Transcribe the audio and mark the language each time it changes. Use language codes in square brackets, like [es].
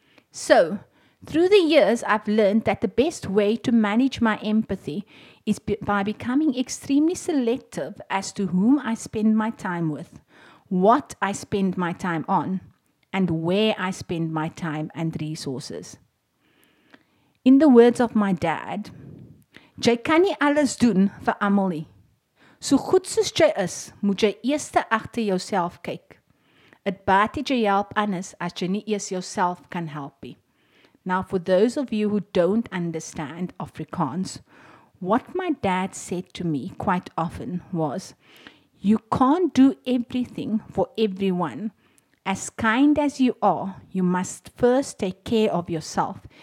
[en] So, through the years, I've learned that the best way to manage my empathy is by becoming extremely selective as to whom I spend my time with, what I spend my time on, and where I spend my time and resources. In the words of my dad, [af] jy kan nie alles doen vir almal nie. So goed soos jy is, moet jy eers agter jouself kyk. Dit baat nie jy help anders as jy nie eers jouself kan help nie. [en] Now, for those of you who don't understand Afrikaans, what my dad said to me quite often was, you can't do everything for everyone. As kind as you are, you must first take care of yourself.